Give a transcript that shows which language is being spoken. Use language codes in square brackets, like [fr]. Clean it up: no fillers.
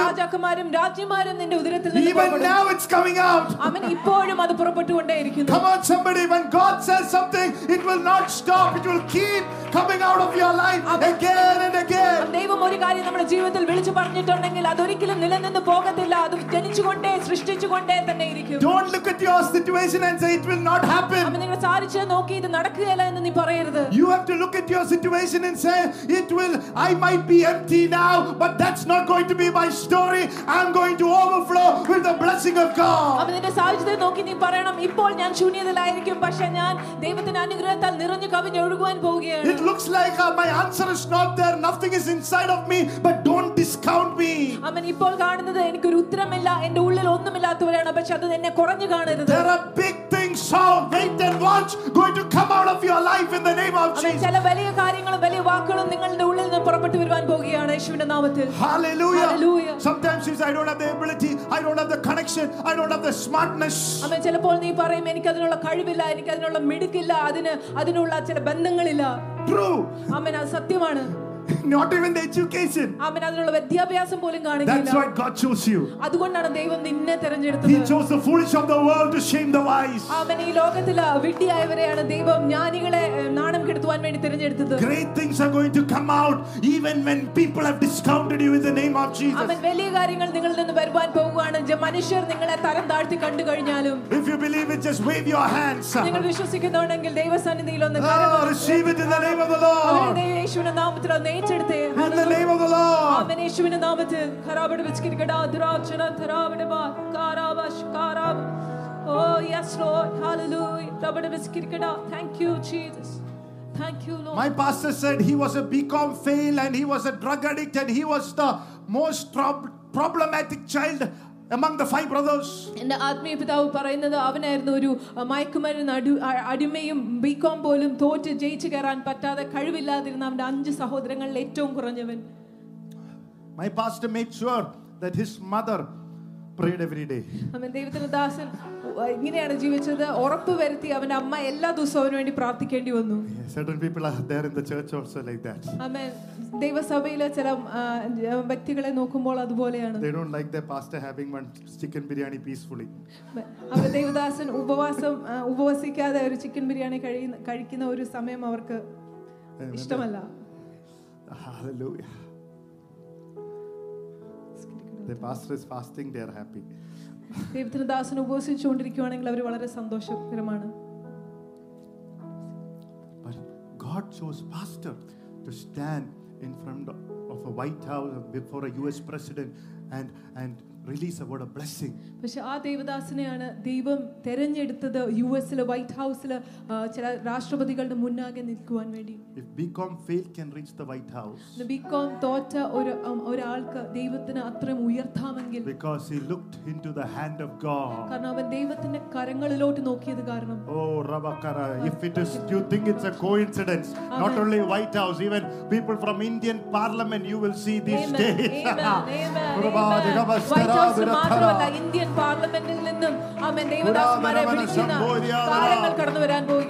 [ml] രാജാക്കന്മാരും രാജ്യമാരും നിന്റെ ഉദരത്തിൽ നിന്ന് പുറപ്പെടും. [en] Even now it's coming out. [ml] അവൻ ഇപ്പോഴും അത് പുറപ്പെട്ടുകൊണ്ടേയിരിക്കുന്നു. [en] Come on somebody, when God says something it will not stop, it will keep coming out of your life again and again. [ml] ദൈവം ഒരു കാര്യം നമ്മുടെ ജീവിതത്തിൽ വിളിച്ചു പറഞ്ഞിട്ടുണ്ടെങ്കിൽ അതൊരിക്കലും നിലനിന്ന് പോകത്തില്ല. അത് ജനിച്ചുകൊണ്ടേ സൃഷ്ടിച്ചുകൊണ്ടേ തന്നെ ഇരിക്കും. [en] Don't look at your situation and say it will not happen. [ml] നിങ്ങൾ സാരിച്ച് നോക്കി ഇത് നടക്കുകയില്ല എന്ന് നീ പറയരുത്. [en] You have to look at your situation and say it will, I might be empty now but that's not going to be my story. I'm going to overflow with the blessing. blessing of God. [ml] അവനെ സാഹചര്യത്തെ നോക്കി നീ പറയണം ഇപ്പോൾ ഞാൻ ശൂന്യതയിലായിരിക്കും പക്ഷേ ഞാൻ ദൈവത്തിന്റെ അനുഗ്രഹത്താൽ നിറഞ്ഞു കവിഞ്ഞു ഒഴുകുവാൻ പോവുകയാണ്. [en] It looks like my answer is not there, nothing is inside of me, but don't discount me. [ml] അവൻ ഇപ്പോൾ കാണുന്നത് എനിക്ക് ഒരു ഉത്തരമില്ല എൻ്റെ ഉള്ളിൽ ഒന്നുമില്ലാത്തവരാണ് പക്ഷേ അത് എന്നെ കുറഞ്ഞു കാണരുത്. [en] There are big things, so wait and watch going to come out of your life in the name of Jesus. [ml] ചില വലിയ കാര്യങ്ങളും വലിയ വാക്കുകളും നിങ്ങളുടെ ഉള്ളിൽ നിന്ന് പുറപ്പെട്ടു വരുവാൻ പോവുകയാണ് യേശുവിന്റെ നാമത്തിൽ. [en] Hallelujah. Hallelujah. Sometimes you say, I don't have the ability, I don't have the connection, I don't have the smartness. [ml] അമ്മേ ചിലപ്പോൾ നീ പറയും എനിക്ക് അതിനുള്ള കഴിവില്ല എനിക്ക് അതിനുള്ള മിടുക്കില്ല അതിനുള്ള ചില ബന്ധങ്ങളില്ല. [en] True. [ml] അമ്മേ അത് സത്യമാണ്. [en] Not even the education. [ml] അമ്മേ അതിനുള്ള വിദ്യാഭ്യാസം പോലും കാണിക്കില്ല. [en] That's why God chose you. [ml] അതുകൊണ്ടാണ് ദൈവം നിന്നെ തിരഞ്ഞെടുത്തത്. [en] He chose the foolish of the world to shame the wise. [ml] അമ്മേ ഈ ലോകത്തിൽ വിഡ്ഢിയായവരെയാണ് ദൈവം ജ്ഞാനികളെ നാണം കെടുത്തുവാൻ വേണ്ടി തിരഞ്ഞെടുത്തത്. [en] Great things are going to come out even when people have discounted you in the name of Jesus. [ml] അമ്മേ വലിയ കാര്യങ്ങൾ നിങ്ങളിൽ നിന്ന് വരുവാൻ പോവുകയാണ് ജെ മനുഷ്യർ നിങ്ങളെ തരം താഴ്ത്തി കണ്ടു കഴിഞ്ഞാലും. [en] If you believe it, just wave your hands. [ml] നിങ്ങൾ വിശ്വസിക്കുന്നുണ്ടെങ്കിൽ ദൈവസന്നിധിയിൽ ഒന്ന് കരം. [en] Receive it in the name of the Lord. [ml] അമ്മേ യേശുവിന്റെ നാമത്തിൽ [en] in the name of the Lord. [ml] അമ്മേ യേശുവിന്റെ നാമത്തിൽ ഖരാബട വെച്ചിരിക്കട ദുരാചന ദരാബട ബാ കാരാബാഷ് കാരാബ്. [en] Oh yes Lord, hallelujah. ദബട വെച്ചിരിക്കട. Thank you Jesus. Thank you Lord. My pastor said he was a BCom fail and he was a drug addict and he was the most problematic child among the five brothers. [ml] എന്റെ ആത്മീയ പിതാവ് പറയുന്നത് അവനായിരുന്നു ഒരു മയക്കുമരുന്ന് അടിമയും BCom പോലും തോറ്റ് ജയിച്ചു കയറാൻ പറ്റാതെ കഴിവില്ലാതിരുന്ന അവന്റെ അഞ്ച് സഹോദരങ്ങളിൽ ഏറ്റവും കുറഞ്ഞവൻ. [en] My pastor made sure that his mother prayed every day. [ml] അവൻ ദൈവത്തിന്റെ ദാസൻ ഇങ്ങനെയാണ് ജീവിച്ചത്. ഉറപ്പ് വരുത്തി അവന്റെ അമ്മ എല്ലാ ദിവസവും അവന് വേണ്ടി പ്രാർത്ഥിക്കേണ്ടി വന്നു. [en] Certain people are there in the church also like that. Amen. [ml] ദൈവസഭയിലെ ചില വ്യക്തികളെ നോക്കുമ്പോൾ അതുപോലെയാണ്. [en] They don't like their pastor having one chicken biryani peacefully. [ml] അവര് ദൈവദാസൻ ഉപവസിക്കാതെ ഒരു ചിക്കൻ ബിരിയാണി കഴിക്കുന്ന ഒരു സമയം അവർക്ക് ഇഷ്ടമല്ല. [en] Hallelujah. The pastor is fasting, they are happy. [ml] ദൈവത്തിന്റെ ദാസൻ ഉപവസിച്ചുകൊണ്ടിരിക്കുകയാണെങ്കിൽ അവർ വളരെ സന്തോഷകരമാണ്. [en] But God chose pastor to stand in front of a White House before a US president and release a word of blessing. [ml] പക്ഷെ ആ ദൈവദാസനെയാണ് ദൈവം തിരഞ്ഞെടുത്തത് യുഎസിലെ വൈറ്റ് ഹൗസിലെ ചില രാഷ്ട്രപതികളുടെ മുന്നാകെ നിൽക്കുവാൻ വേണ്ടി. [en] If BCom failed can reach the White House. [ml] The BCom തോറ്റ ഒരാൾക്ക് ദൈവത്തിന് അത്രയും ഉയർത്താമെങ്കിൽ. [en] Because he looked into the hand of God. [ml] കാരണം അവൻ ദൈവത്തിന്റെ കരങ്ങളിലോട്ട് നോക്കിയത് കാരണം. [en] Oh Rabakara, if it is you think it's a coincidence, not only White House, even people from Indian Parliament you will see these days. Amen. Amen. [ml] Indian പാർലമെന്റിൽ നിന്നും അമ്മേ ദൈവദാസന്മാരെ വിളിക്കുന്ന കടന്നു വരാൻ